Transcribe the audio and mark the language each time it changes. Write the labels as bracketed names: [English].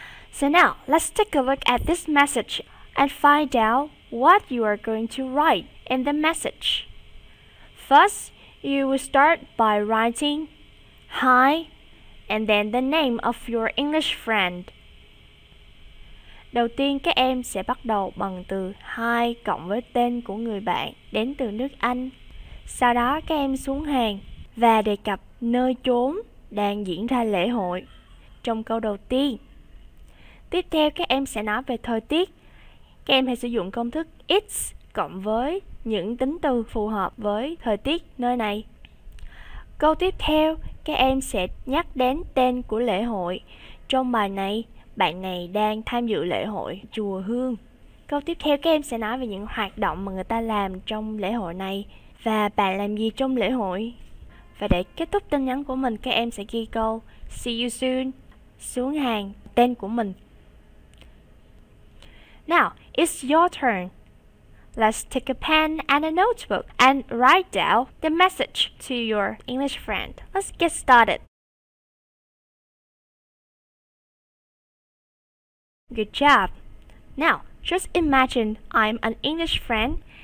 [English] So now, let's take a look at this message and find out what you are going to write in the message. First, you will start by writing hi and then the name of your English friend. [Vietnamese] Đầu tiên các em sẽ bắt đầu bằng từ hi cộng với tên của người bạn đến từ nước Anh. Sau đó các em xuống hàng và đề cập nơi chốn đang diễn ra lễ hội trong câu đầu tiên. Tiếp theo các em sẽ nói về thời tiết. Các em hãy sử dụng công thức it's cộng với những tính từ phù hợp với thời tiết nơi này. Câu tiếp theo, các em sẽ nhắc đến tên của lễ hội. Trong bài này, bạn này đang tham dự lễ hội chùa Hương. Câu tiếp theo, các em sẽ nói về những hoạt động mà người ta làm trong lễ hội này và bạn làm gì trong lễ hội. Và để kết thúc tin nhắn của mình, các em sẽ ghi câu [English] see you soon, [Vietnamese] xuống hàng, tên của mình. [English] Now, it's your turn. Let's take a pen and a notebook and write down the message to your English friend. Let's get started. Good job. Now, just imagine I'm an English friend.